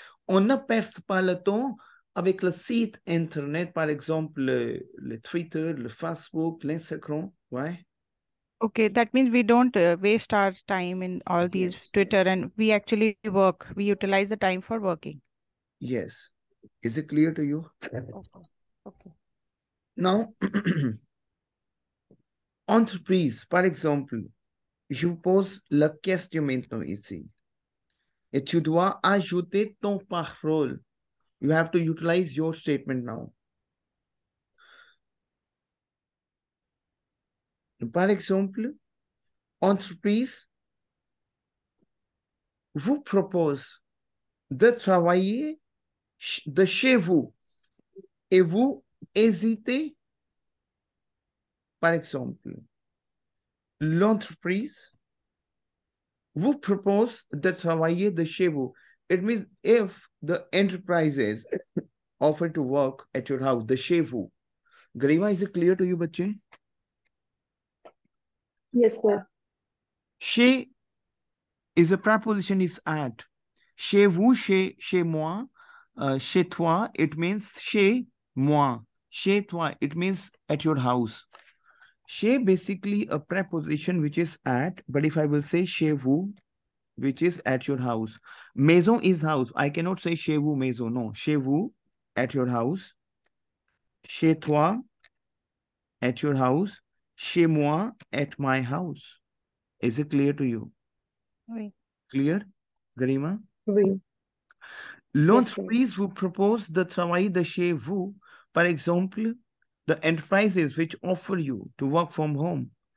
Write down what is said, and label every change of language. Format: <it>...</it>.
<fr>On ne perd pas le temps avec le site Internet, par exemple, le Twitter, le Facebook, l'Instagram, ouais.</fr> <en>Okay, that means we don't waste our time in all these yes. Twitter, and we actually work. We utilize the time for working. Yes. Is it clear to you? Okay.</en> <fr>Now, entreprise, par exemple, je pose la question maintenant ici. Et tu dois ajouter ton parole.</fr> <en>You have to utilize your statement now.</en> <fr>Par exemple, entreprise vous propose de travailler de chez vous et vous hésitez. Par exemple, l'entreprise vous propose de travailler de chez vous.</fr> <en>It means if the enterprise is offered to work at your house,</en> <fr>de chez vous.</fr> <en>Grima, is it clear to you, Bachin? Yes, sir. Chez is a preposition is at.</en> <fr>Chez vous, chez moi, chez toi,</fr> <en>it means</en> <fr>chez moi. Chez toi,</fr> <en>it means at your house. Chez basically a preposition which is at, but if I will say</en> <fr>chez vous,</fr> <en>which is at your house. Maison is house. I cannot say</en> <fr>chez vous, maison.</fr> <en>No,</en> <fr>chez vous,</fr> <en>at your house.</en> <fr>Chez toi,</fr> <en>at your house.</en> <fr>Chez moi,</fr> <en>at my house. Is it clear to you?</en> <fr>Oui.</fr> <en>Clear, Garima?</en> <fr>Oui. L'entreprise vous propose de travailler de chez vous. Par exemple,</fr> <en>the enterprises which offer you to work from home.</en>